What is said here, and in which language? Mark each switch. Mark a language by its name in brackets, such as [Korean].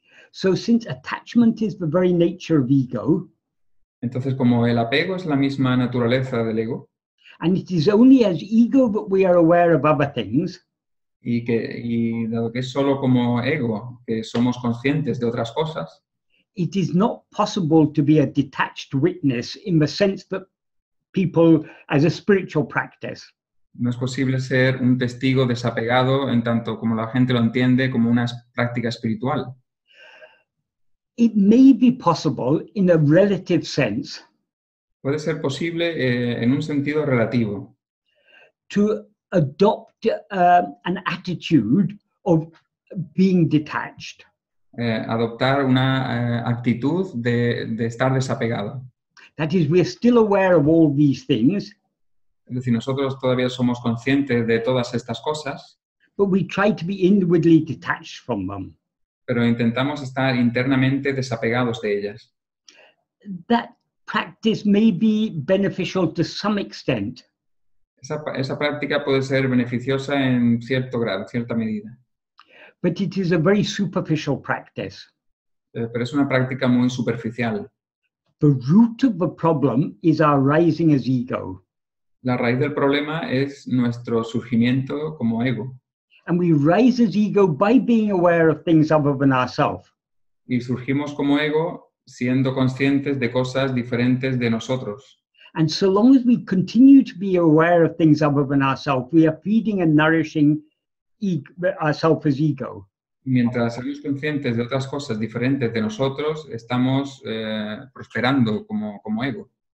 [English] So since attachment is the very nature of ego, [Spanish] entonces como el apego es la misma naturaleza del ego, [English] and it is only as ego that we are aware of other things, [Spanish] y dado que es solo como ego que somos conscientes de otras cosas, [English] it is not possible to be a detached witness in the sense that people as a spiritual practice. [Spanish] No es posible ser un testigo desapegado en tanto como la gente lo entiende como una práctica espiritual. [English] It may be possible in a relative sense. [Spanish] Puede ser posible en un sentido relativo. [English] To adopt an attitude of being detached. [Spanish] Adoptar una actitud de estar desapegado. [English] That is, we are still aware of all these things. [Spanish] Es decir, nosotros todavía somos conscientes de todas estas cosas. [English] But we try to be inwardly detached from them. [Spanish] Pero intentamos estar internamente desapegados de ellas. [English] That practice may be beneficial to some extent. [Spanish] Esa práctica puede ser beneficiosa en cierto grado, en cierta medida. [English] But it is a very superficial practice. [Spanish] Pero es una práctica muy superficial. [English] The root of the problem is our rising as ego. [Spanish] La raíz del problema es nuestro surgimiento como ego. [English] And we rise as ego by being aware of things other than ourselves. [Spanish] Y surgimos como ego siendo conscientes de cosas diferentes de nosotros. [English] And so long as we continue to be aware of things other than ourselves, we are feeding and nourishing ourselves as ego. [Spanish] Mientras somos conscientes de otras cosas diferentes de nosotros, estamos prosperando como ego.